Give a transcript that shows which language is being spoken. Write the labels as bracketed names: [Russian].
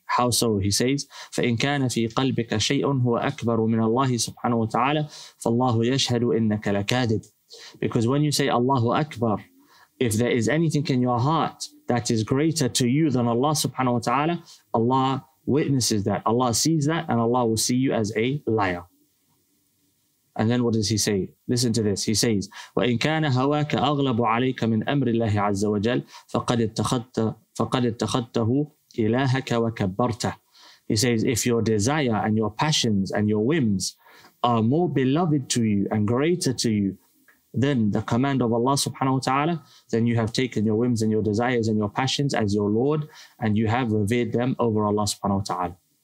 [English] How so? He says, [Arabic] فَإِنْ كَانَ فِي قَلْبِكَ شَيْءٌ هُوَ أَكْبَرُ مِنَ اللَّهِ سُبْحَانَهُ وَتَعَالَى فَاللَّهُ يَشْهَدُ إِنَّكَ لَكَادِبٌ. [English] Because when you say Allahu Akbar, if there is anything in your heart that is greater to you than Allah subhanahu wa ta'ala, Allah witnesses that. Allah sees that and Allah will see you as a liar. And then what does he say? Listen to this. He says, [Arabic] وَإِنْ كَانَ هَوَاكَ أَغْلَبُ عَلَيْكَ مِنْ أَمْرِ اللَّهِ عَزَّ وَجَلَّ فَقَدْ اتَّخَدْتَهُ إِلَاهَكَ وَكَبَّرْتَهُ. [English] He says, if your desire and your passions and your whims are more beloved to you and greater to you than the command of Allah subhanahu wa ta'ala, then you have taken your whims and your desires and your passions as your Lord, and you have revered them over Allah subhanahu wa ta'ala.